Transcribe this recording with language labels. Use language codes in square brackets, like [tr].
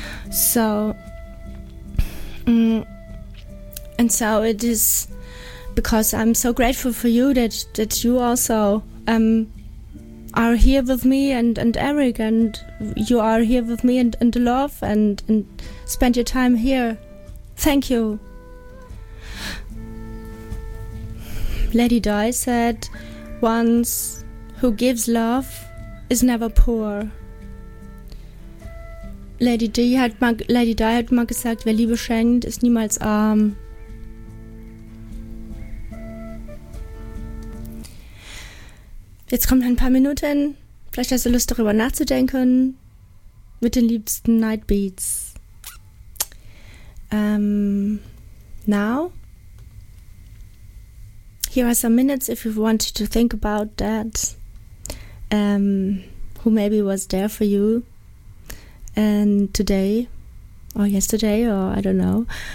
[en] So, and so it is because I'm so grateful for you that you also are here with me and Eric, and you are here with me and love and spend your time here. Thank you. Lady Di said once, who gives love is never poor. [de] Lady Di hat mal gesagt, wer Liebe schenkt, ist niemals arm. Jetzt kommen ein paar Minuten, vielleicht hast du Lust darüber nachzudenken, mit den liebsten Nightbeats. [en] Now, here are some minutes if you wanted to think about that, who maybe was there for you, and today, or yesterday, or I don't know.